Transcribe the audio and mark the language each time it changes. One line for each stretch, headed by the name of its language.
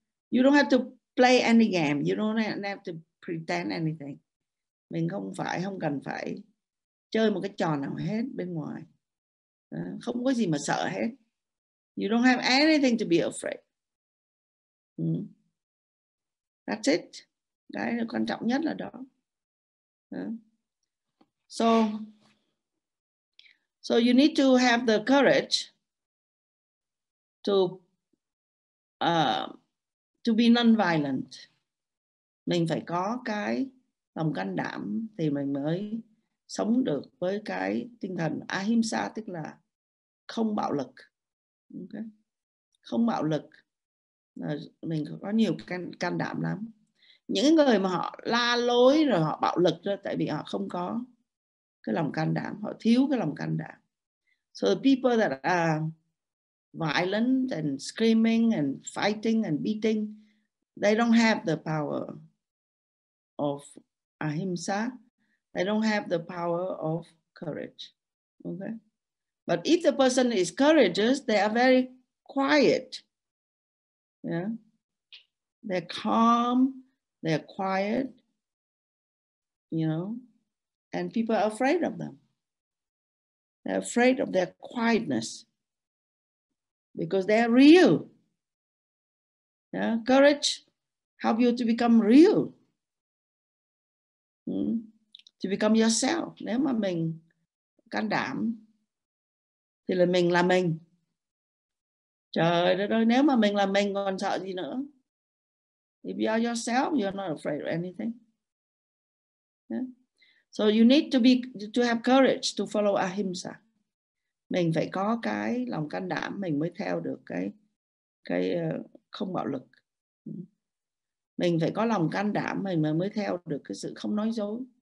English: You don't have to play any game. You don't have to pretend anything.
Vietnamese: Mình không phải, không cần phải chơi một cái trò nào hết bên ngoài. Không có gì mà sợ hết.
English: You don't have anything to be afraid. That's it.
Vietnamese: Cái quan trọng nhất là đó.
English: So you need to have the courage to be non-violent.
Vietnamese: Mình phải có cái lòng can đảm thì mình mới sống được với cái tinh thần ahimsa, tức là không bạo lực. Okay. Không bạo lực. Mình có nhiều can đảm lắm. Những người mà họ la lối rồi họ bạo lực đó, tại vì họ không có cái lòng can đảm, họ thiếu cái lòng can đảm.
English: So the people that are violent and screaming and fighting and beating, they don't have the power of ahimsa. They don't have the power of courage. Okay? But if the person is courageous, they are very quiet. Yeah? They're calm, they're quiet, you know, and people are afraid of them. They're afraid of their quietness because they are real. Yeah? Courage helps you to become real. To become yourself.
Vietnamese: Nếu mà mình can đảm thì là mình. Trời đất ơi, nếu mà mình là mình còn sợ gì nữa?
English: If you are yourself, you're not afraid of anything. Yeah? So you need to have courage to follow ahimsa.
Vietnamese: Mình phải có cái lòng can đảm mình mới theo được cái không bạo lực. Mình phải có lòng can đảm mình mới theo được cái sự không nói dối.